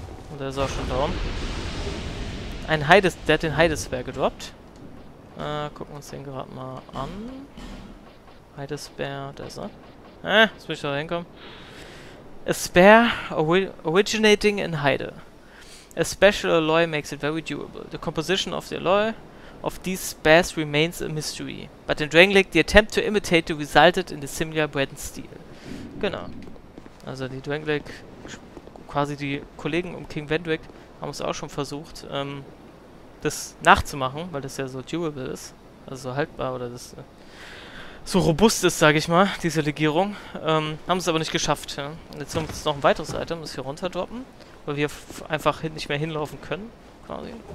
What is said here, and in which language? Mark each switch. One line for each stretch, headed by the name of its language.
German: Und der ist auch schon down. Ein Heides, der hat den Heidesbär gedroppt. Gucken wir uns den gerade mal an. Heidesbär, da ist er. Jetzt muss ich da hinkommen.
English: A spear originating in Heide. A special alloy makes it very durable. The composition of the alloy of these spares remains a mystery. But in Dragonlick, the attempt to imitate the resulted in the similar Breton steel.
German: Genau. Also die Dragonlick, quasi die Kollegen um King Vendrick, haben es auch schon versucht, das nachzumachen, weil das ja so durable ist, also so haltbar oder das so robust ist, sage ich mal, diese Legierung. Haben es aber nicht geschafft. Ja. Jetzt muss noch ein weiteres Item, das hier runterdroppen, weil wir einfach nicht mehr hinlaufen können, quasi.